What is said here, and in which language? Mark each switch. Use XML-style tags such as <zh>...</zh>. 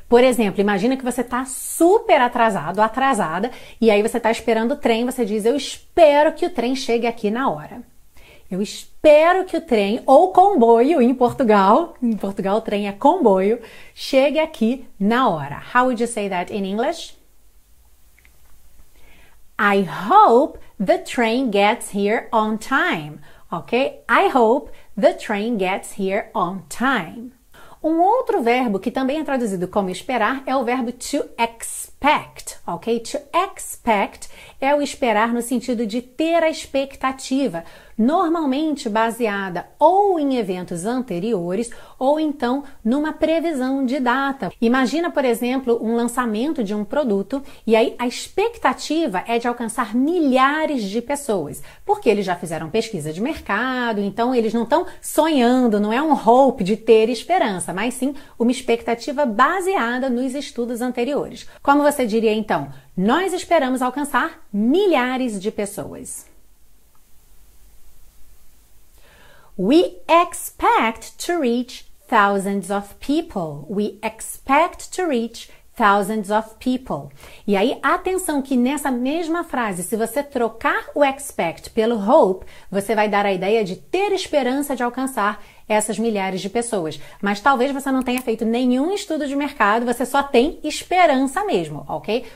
<pt>Por exemplo, imagina que você está super atrasado, atrasada, e aí você está esperando o trem, você diz eu espero que o trem chegue aqui na hora. Eu espero que o trem ou comboio em Portugal o trem é comboio, chegue aqui na hora.</pt> <en>How would you say that in English? I hope the train gets here on time. Ok? I hope the train gets here on time.</en> <pt>Um outro verbo que também é traduzido como esperar é o verbo to expect, ok? To expect é o esperar no sentido de ter a expectativa, normalmente baseada ou em eventos anteriores ou então numa previsão de data. Imagina, por exemplo, um lançamento de um produto e aí a expectativa é de alcançar milhares de pessoas, porque eles já fizeram pesquisa de mercado, então eles não estão sonhando, não é um hope de ter esperança, mas sim uma expectativa baseada nos estudos anteriores. Como você diria então? Nós esperamos alcançar milhares de pessoas.</pt> <en>We expect to reach thousands of people. We expect to reach thousands of people.</en> <pt>E aí, atenção que nessa mesma frase, se você trocar o expect pelo hope, você vai dar a ideia de ter esperança de alcançar essas milhares de pessoas. Mas talvez você não tenha feito nenhum estudo de mercado, você só tem esperança mesmo, ok?</pt>